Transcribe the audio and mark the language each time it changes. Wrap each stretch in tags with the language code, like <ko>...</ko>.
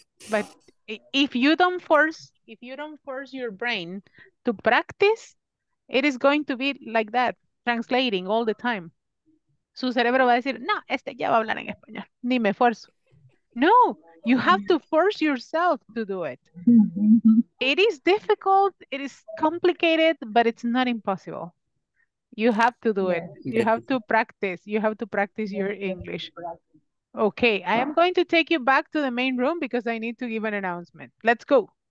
<en>But if you don't force your brain to practice, it is going to be like that, translating all the time.</en> <es>Su cerebro va a decir, no, este ya va a hablar en español. Ni me esfuerzo.</es> <en>No, you have to force yourself to do it. It is difficult, it is complicated, but it's not impossible. You have to do it. You have to practice. You have to practice your English. Okay, I am going to take you back to the main room because I need to give an announcement. Let's go.</en>